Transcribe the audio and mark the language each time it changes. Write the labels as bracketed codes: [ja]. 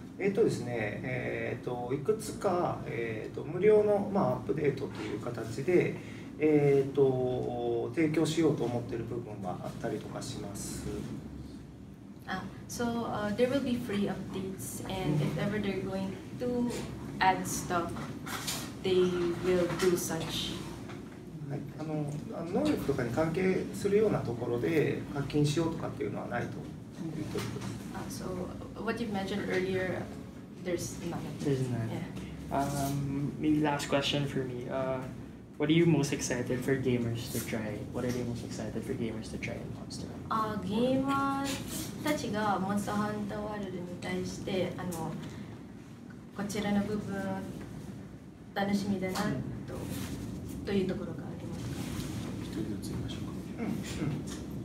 [ja] ですね、いくつか、無料の、まあ、アップデートという形で、提供しようと思っている部分があったりとかします。 [en] So, there will be free updates, and if ever they're going to add stuff, they will do such. [ja] はい、能力とかに関係するようなところで課金しようとかっていうのはないということです。 [en] So, what you mentioned earlier, there's nothing. There's nothing. Yeah. Maybe last question for me. What are you most excited for gamers to try? What are they most excited for gamers to try in Monster Hunter? [ja] ゲーマーたちがモンスターハンターワールドに対してこちらの部分楽しみだなと、というところがありますか。一人ずつ言いましょうか。